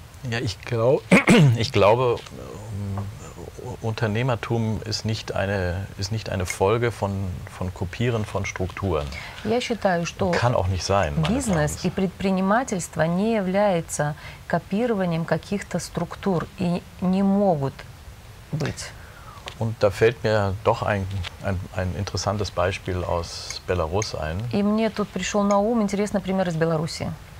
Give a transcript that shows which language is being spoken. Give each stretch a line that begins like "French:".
German: Ja, ich glaube, Unternehmertum ist nicht eine Folge von Kopieren von Strukturen.
Russian: Я считаю, что
German: kann auch nicht sein,
Russian: бизнес и предпринимательство не является копированием каких-то структур и не могут быть.
German: Und da fällt mir doch ein interessantes Beispiel aus Belarus ein.
Russian: И мне тут пришел на ум интересный пример из Беларуси.